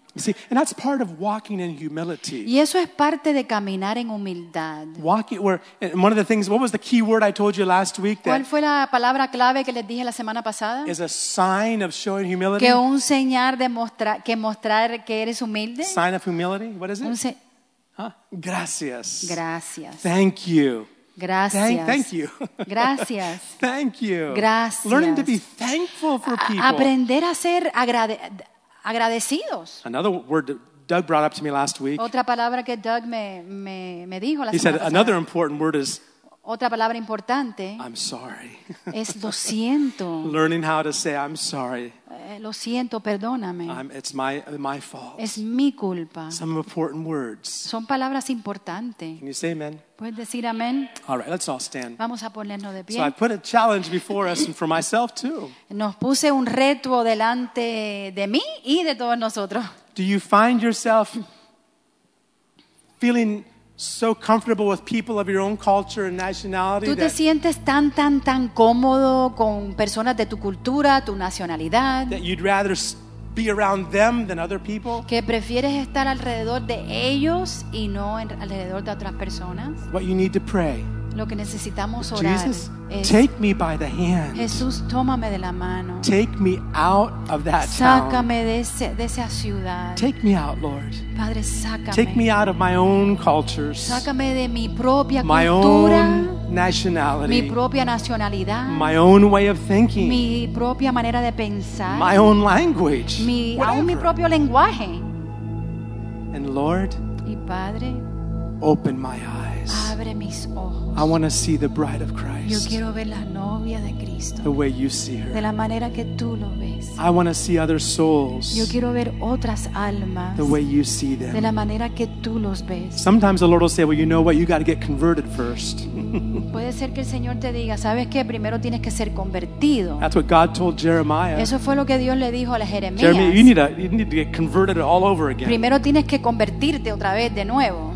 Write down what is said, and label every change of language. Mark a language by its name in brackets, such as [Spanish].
[English] You see, and that's part of walking in humility. [Spanish] Y eso es parte de caminar en humildad. [English] Walking, one of the things, what was the key word I told you last week? [Spanish] That ¿cuál fue la palabra clave que les dije la semana pasada? [English] Is a sign of showing humility. [Spanish] Que un señal de mostrar, que mostrar que eres humilde. [English] Sign of humility. What is it? Gracias. [Spanish] Gracias. [English] Thank you. [Spanish] Gracias. [English] Thank you. [Spanish] Gracias. [English] Thank you. [Spanish] Gracias. [English] Learning to be thankful for people. [Spanish] Aprender a ser agradecidos. [English] Another word that Doug brought up to me last week. [Spanish] Otra palabra que Doug me dijo la [English] He said another important word is [Spanish] otra palabra importante. [English] I'm sorry. [Spanish] Es lo siento. [English] Learning how to say I'm sorry. [Spanish] Lo siento, perdóname. [English] It's my fault. [Spanish] Es mi culpa. [English] Some important words. [Spanish] Son palabras importantes. [English] Can you say amen? [Spanish] ¿Puedes decir amén? [English] All right, let's all stand. [Spanish] Vamos a ponernos de pie. [English] So I put a challenge before us and for myself too. [Spanish] Nos puse un reto delante de mí y de todos nosotros. [English] Do you find yourself feeling so comfortable with people of your own culture and nationality? [Spanish] ¿Tú te sientes tan cómodo con personas de tu cultura, tu nacionalidad? [English] That you'd rather be around them than other people? [Spanish] ¿Que prefieres estar alrededor de ellos y no alrededor de otras personas? [English] What you need to pray. [Spanish] Lo que necesitamos orar. [English] Jesus, take me by the hand. [Spanish] Jesús, tómame de la mano. [English] Take me out of that town. [Spanish] Sácame de esa ciudad. [English] Take me out, Lord. [Spanish] Padre, sácame. [English] Take me out of my own cultures. [Spanish] Sácame de mi propia [English] my [Spanish] cultura. [English] My own nationality. [Spanish] Mi propia nacionalidad. [English] My own way of thinking. [Spanish] Mi propia manera de pensar. [English] My own language. [Spanish] Aún mi propio lenguaje. [English] And Lord, [Spanish] y Padre, [English] open my eyes. eyes. [Spanish] Abre mis ojos. [English] I want to see the bride of Christ. [Spanish] Yo quiero ver la novia de Cristo. [English] The way you see her. [Spanish] De la manera que tú lo ves. [English] I want to see other souls. [Spanish] Yo quiero ver otras almas. [English] The way you see them. [Spanish] De la manera que tú los ves. [English] Sometimes the Lord will say, "Well, you know what? You got to get converted first." [Spanish] Puede ser que el Señor te diga, ¿sabes qué? Primero tienes que ser convertido. [English] That's what God told Jeremiah. [Spanish] Eso fue lo que Dios le dijo a la Jeremías. [English] Jeremiah, you need to get converted all over again. [Spanish] Primero tienes que convertirte otra vez de nuevo.